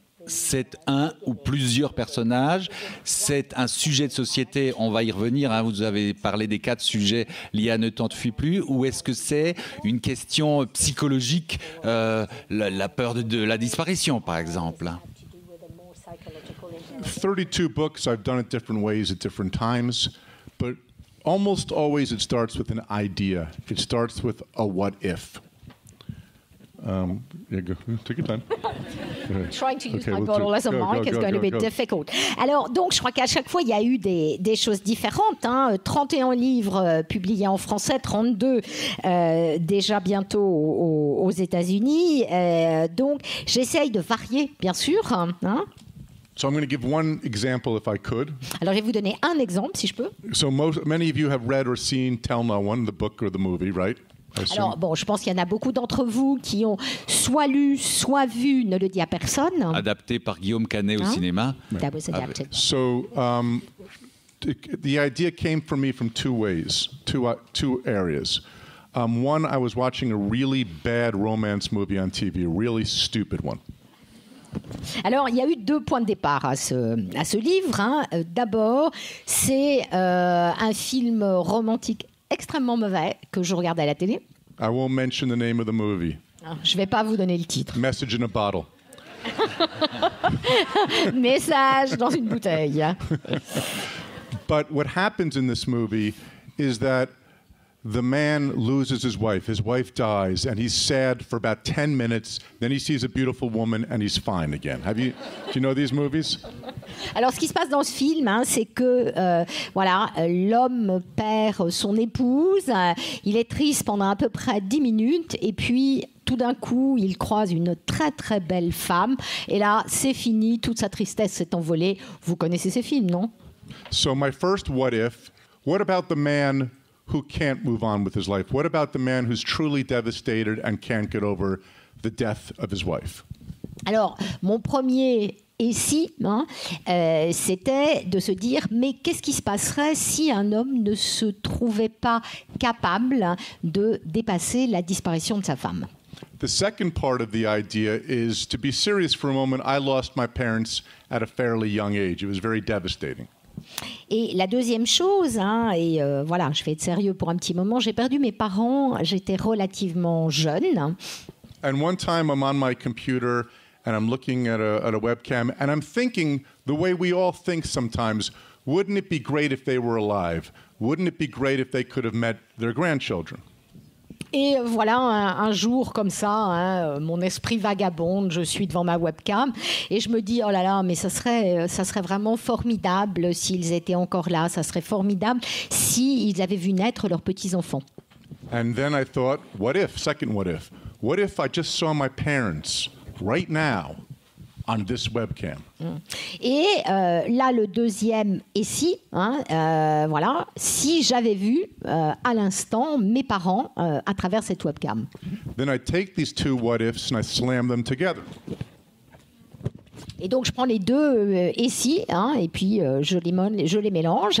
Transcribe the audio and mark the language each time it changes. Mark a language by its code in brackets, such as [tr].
[fr] C'est un ou plusieurs personnages, c'est un sujet de société, on va y revenir, hein. Vous avez parlé des quatre sujets liés à Ne t'en fuis plus, ou est-ce que c'est une question psychologique, la peur de la disparition par exemple? [en] 32 books, I've done it different ways at different times, but almost always it starts with an idea, it starts with a what if. Yeah, go. Take your time. Trying to use my bottle as a mic is going to be difficult. [fr] Alors, donc, je crois qu'à chaque fois, il y a eu des choses différentes. Hein. 31 livres publiés en français, 32 déjà bientôt aux États-Unis. Donc, j'essaye de varier, bien sûr. Hein. [en] So I'm going to give one example if I could. [fr] Alors, je vais vous donner un exemple, si je peux. [en] So many of you have read or seen Tell No One, the book or the movie, right? [fr] Alors, bon, je pense qu'il y en a beaucoup d'entre vous qui ont soit lu, soit vu Ne le dit à personne. Adapté par Guillaume Canet au cinéma. [en] Right. That was adapted. So, the idea came for me from two ways, two areas. One, I was watching a really bad romance movie on TV, a really stupid one. [fr] Alors, il y a eu deux points de départ à ce livre. Hein. D'abord, c'est un film romantique extrêmement mauvais que je regardais à la télé. [en] I won't mention the name of the movie. [fr] Je vais pas vous donner le titre. [en] Message in a bottle. [fr] Message dans une bouteille. [en] But what happens in this movie is that the man loses his wife. His wife dies and he's sad for about 10 minutes. Then he sees a beautiful woman and he's fine again. Do you know these movies? [fr] Alors, ce qui se passe dans ce film, hein, c'est que voilà, l'homme perd son épouse. Il est triste pendant à peu près 10 minutes. Et puis, tout d'un coup, il croise une très, très belle femme. Et là, c'est fini. Toute sa tristesse s'est envolée. Vous connaissez ces films, non? [en] So my first what if, what about the man who can't move on with his life? What about the man who's truly devastated and can't get over the death of his wife? [fr] Alors, mon premier et si, hein, c'était de se dire, mais qu'est-ce qui se passerait si un homme ne se trouvait pas capable de dépasser la disparition de sa femme? [en] The second part of the idea is to be serious for a moment. I lost my parents at a fairly young age. It was very devastating. [fr] Et la deuxième chose, hein, et voilà, je vais être sérieux pour un petit moment, j'ai perdu mes parents, j'étais relativement jeune. [en] And one time I'm on my computer and I'm looking at a webcam and I'm thinking the way we all think sometimes, wouldn't it be great if they were alive? Wouldn't it be great if they could have met their grandchildren? [fr] Et voilà, un jour comme ça, hein, mon esprit vagabonde, je suis devant ma webcam et je me dis, oh là là, mais ça serait vraiment formidable s'ils étaient encore là, ça serait formidable s'ils avaient vu naître leurs petits-enfants. [en] And then I thought, what if, second what if I just saw my parents right now on this webcam? [fr] Et là, le deuxième, et si, hein, voilà, si j'avais vu à l'instant mes parents à travers cette webcam. [en] Then I take these two what ifs and I slam them together. [fr] Et donc je prends les deux et si, hein, et puis je les mélange.